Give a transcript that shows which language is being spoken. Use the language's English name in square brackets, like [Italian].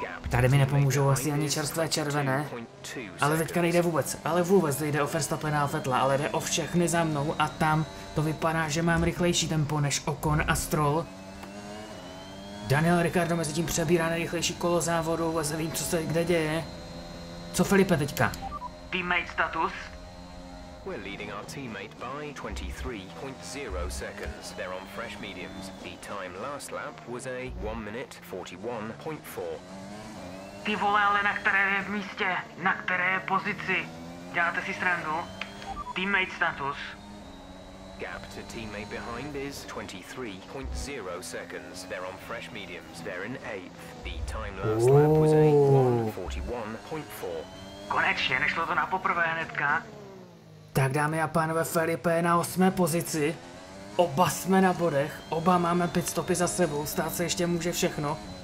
[Czech] Tady mi nepomůžou asi ani čerstvé červené. Ale teďka nejde vůbec, ale vůbec nejde o Verstappena a Vettela, ale jde o všechny za mnou a tam to vypadá, že mám rychlejší tempo než Ocon a Stroll. Daniel Ricciardo mezi tím přebírá nejrychlejší kolo závodu, vůbec nevím, co se kde děje. Co Felipe teďka? [English] Teammate status? We're leading our teammate by 23.0 seconds. They're on fresh mediums. The time last lap was a 1 minute 41.4. [Czech] Ty vole, ale na které je v místě? Na které je pozici? Děláte si srandu? [English] Teammate status? Gap to teammate behind is 23.0 seconds. They're on fresh mediums. They're in 8th. The time last lap was a 1:41.4. [Czech] Konečně, nešlo to na poprvé hnedka. Tak dámy a pánové, Felipe je na 8. pozici. Oba jsme na bodech, oba máme pit stopy za sebou, stát se ještě může všechno.